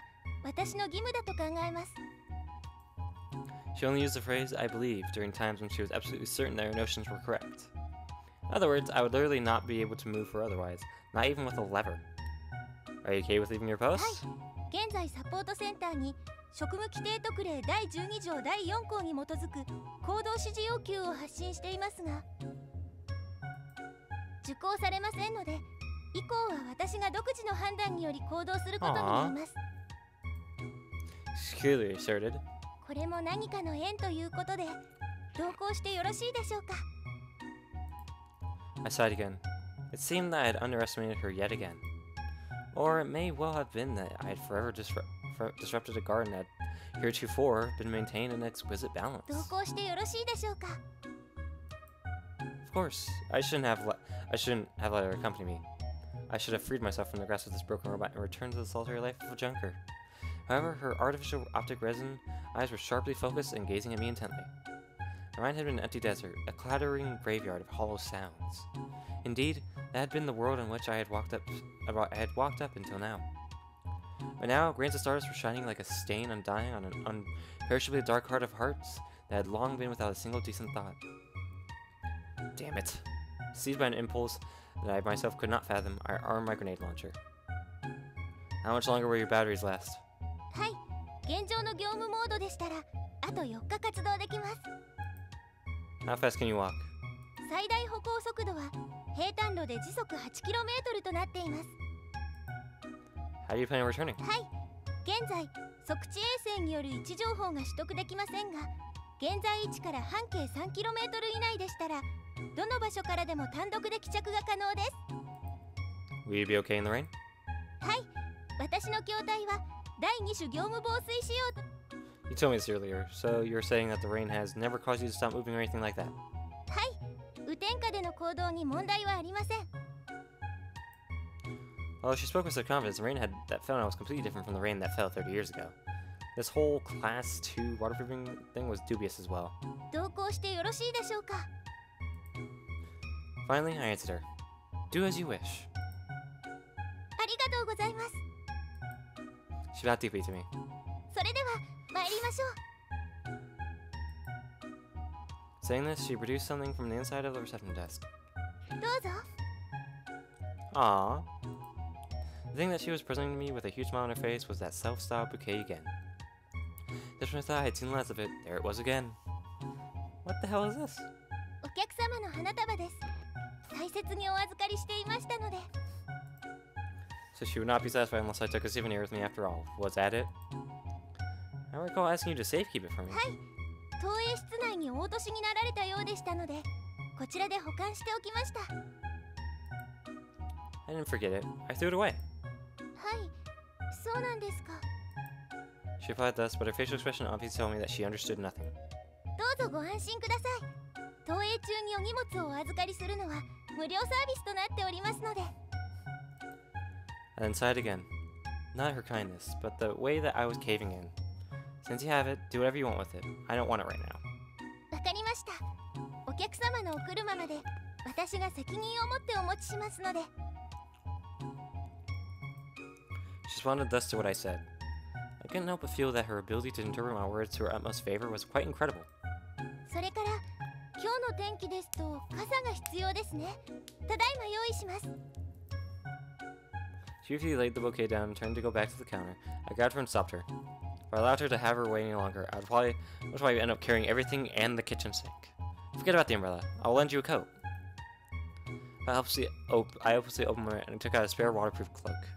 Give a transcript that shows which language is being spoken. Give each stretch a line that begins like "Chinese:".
Japanese: 当外区が現在停電中でしたら、お客様を一人では道中に危険があると考えます。本日は休業日ですので、当デパートのお客様案内はお休みとなっております。現在、当館で稼働するロボットは私しかおりませんので、お客様を安全にお送りするのは私の義務だと考えます。
English: She only used the phrase, I believe, during times when she was absolutely certain that her notions were correct. In other words, I would literally not be able to move her otherwise, not even with a lever. Are you okay with leaving your post?
Japanese: はい。現在サポートセンターに職務規定特例第12条第4項に基づく行動指示要求を発信していますが、受講されませんので、以降は私が独自の判断により行動することになります。
English: Securely asserted.
Japanese: これも何かの縁ということで、同行してよろしいでしょうか?
English: I sighed again. It seemed that I had underestimated her yet again. Or it may well have been that I had forever disrupted a garden that heretofore been maintained an exquisite balance.
Japanese: 同行してよろしいでしょうか?
English: Of course, I shouldn't have let her accompany me. I should have freed myself from the grasp of this broken robot and returned to the solitary life of a junker. However, her artificial optic resin eyes were sharply focused and gazing at me intently. My mind had been an empty desert, a clattering graveyard of hollow sounds. Indeed, that had been the world in which I had walked up until now. But now, grains of stars were shining like a stain undying on an unperishably dark heart of hearts that had long been without a single decent thought. Damn it. Seized by an impulse that I myself could not fathom, I armed my grenade launcher. How much longer will your batteries last?
Japanese: はい、現状の業務モードでしたら、あと4日活動できます。
English: How fast can you walk?
Japanese: 最大歩行速度は平坦路で時速 8km となっています。
English: How do you plan on returning?
Japanese: はい、現在、測地衛星による位置情報が取得できませんが、現在位置から半径 3km 以内でしたら、どの場所からでも単独で帰着が可能です。
English: Will you be okay in the rain?
Japanese: はい、私の筐体は第2種業務防水仕様。
English: You told me this earlier, so you're saying that the rain has never caused you to stop moving or anything like that?
Japanese: はい、雨天下での行動に問題はありません。
English: Well, she spoke with such confidence, the rain had that fell now was completely different from the rain that fell 30 years ago. This whole class 2 waterproofing thing was dubious as well.
Japanese: 同行してよろしいでしょうか?
English: Finally, I answered her. Do as you wish.
Japanese: ありがとうございます。
English: She bowed deeply to me.
Japanese: それでは、参りましょう。
English: Saying this, she produced something from the inside of the reception desk.
Japanese: どうぞ。 Aww.
English: The thing that she was presenting to me with a huge smile on her face was that self-styled bouquet again. Just when I thought I had seen less of it, there it was again. What the hell is this?
Japanese: お客様の花束です。大切にお預かりしていましたので。
English: So she would not be satisfied unless I took a souvenir with me after all. Was that it? I recall asking you to safekeep it for me.
Japanese: はい。投影室内にお落としになられたようでしたので、こちらで保管しておきました。
English: I didn't forget it. I threw it away.
Japanese: はい。そうなんですか。
English: She replied thus, but her facial expression obviously told me that she understood nothing.
Japanese: どうぞご安心ください。投影中にお荷物をお預かりするのは無料サービスとなっておりますので。
English: And then sighed again. Not her kindness, but the way that I was caving in. Since you have it, do whatever you want with it. I don't want it right now.
Japanese: わかりました。お客様のお車まで、私が責任を持ってお持ちしますので。
English: She responded thus to what I said. I couldn't help but feel that her ability to interpret my words to her utmost favor was quite incredible.
Japanese: それから、今日の天気ですと傘が必要ですね。ただいま用意します。
English: She briefly laid the bouquet down and turned to go back to the counter. I grabbed her and stopped her. If I allowed her to have her way any longer, I would probably end up carrying everything and the kitchen sink. Forget about the umbrella. I'll lend you a coat. I obviously opened it and took out a spare waterproof cloak.